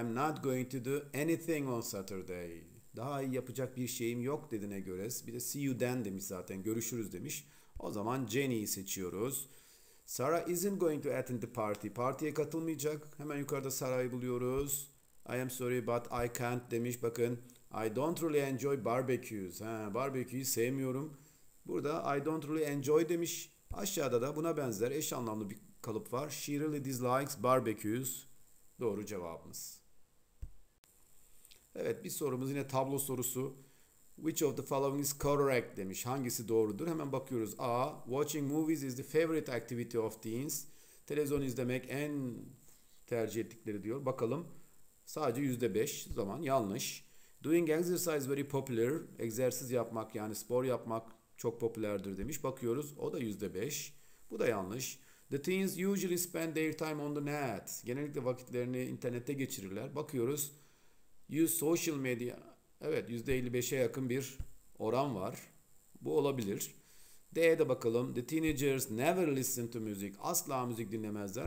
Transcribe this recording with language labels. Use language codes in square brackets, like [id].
[en] I'm not going to do anything on Saturday. [tr] Daha iyi yapacak bir şeyim yok dediğine göre. Bir de [en] see you then [tr] demiş zaten. Görüşürüz demiş. O zaman Jenny'yi seçiyoruz. [en] Sarah isn't going to attend the party. [tr] Partiye katılmayacak. Hemen yukarıda Sarah'yı buluyoruz. [en] I am sorry but I can't [tr] demiş. Bakın, [en] I don't really enjoy barbecues. [tr] Ha, barbeküyü sevmiyorum. Burada [en] I don't really enjoy [tr] demiş. Aşağıda da buna benzer eş anlamlı bir kalıp var. [en] She really dislikes barbecues. [tr] Doğru cevabımız. Evet, bir sorumuz yine tablo sorusu. [en] Which of the following is correct [tr] demiş. Hangisi doğrudur? Hemen bakıyoruz. A. [en] Watching movies is the favorite activity of teens. [tr] Televizyon izlemek en tercih ettikleri diyor. Bakalım. Sadece %5 zaman yanlış. [en] Doing exercise very popular. [tr] Egzersiz yapmak yani spor yapmak çok popülerdir demiş. Bakıyoruz. O da %5. Bu da yanlış. [en] The teens usually spend their time on the net. [tr] Genellikle vakitlerini internette geçirirler. Bakıyoruz. [en] Use social media. [tr] Evet, %55'e yakın bir oran var. Bu olabilir. D'ye de bakalım. [en] The teenagers never listen to music. [tr] Asla müzik dinlemezler.